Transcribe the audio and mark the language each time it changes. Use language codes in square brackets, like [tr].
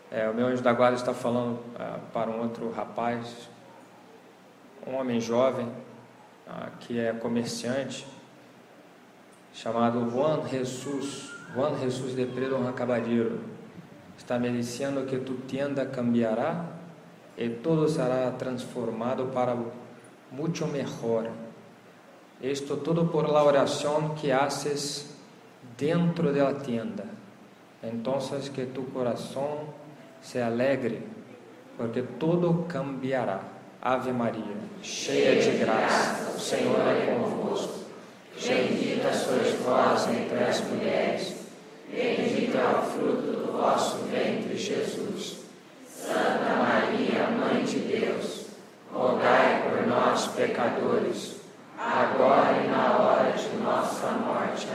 [pt] O meu anjo da guarda está falando para um outro rapaz, um homem jovem, que é comerciante, chamado Juan Jesus de Predo Rancabadiro. Está me dizendo [es] que tu tienda cambiará e todo será transformado para mucho mejor. Esto todo por la oración que haces dentro de la tienda. Entonces que tu corazón se alegre, porque todo cambiará. [pt] Ave Maria, cheia de graça, o Senhor é convosco. Bendita sois vós entre as mulheres. Bendito é o fruto do vosso ventre, Jesus. Santa Maria, Mãe de Deus, rogai por nós, pecadores, agora e na hora de nossa morte.